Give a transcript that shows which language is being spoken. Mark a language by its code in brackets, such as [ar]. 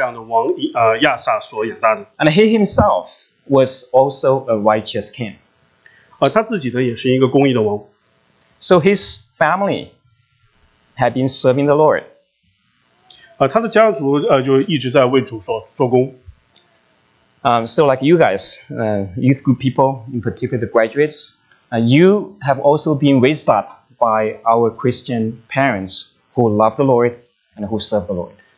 [zh] 他是被一个公义的这样的王亚萨所养大的。 [en] And he himself was also a righteous king. [zh] 他自己呢也是一个公义的王。 [en] So his family had been serving the Lord. [zh] 他的家族就一直在为主所做工。 [en] So like you guys, youth group people, in particular the graduates, you have also been raised up by our Christian parents who love the Lord and who serve the Lord.